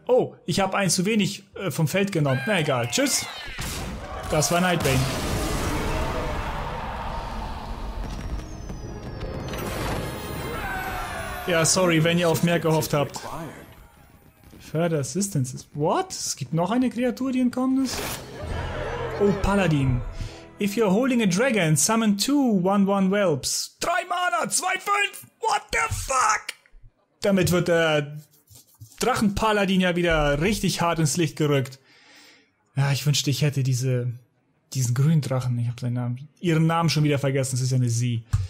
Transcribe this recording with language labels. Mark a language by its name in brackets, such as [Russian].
[German] Oh, ich habe einen zu wenig vom Feld genommen. Na egal, tschüss! Das war Nightbane. Ja, sorry, wenn ihr auf mehr gehofft habt. [English] Further Assistance is... What? [German] Es gibt noch eine Kreatur, die entkommen ist? Oh, Paladin. [English] If you're holding a dragon, summon 2/1/1 whelps. 3 Mana, 2/5! What the fuck? [German] Damit wird der Drachenpaladin ja wieder richtig hart ins Licht gerückt. Ja, ich wünschte, ich hätte diesen grünen Drachen. Ich habe seinen Namen... Ihren Namen schon wieder vergessen. Es ist ja eine Sie.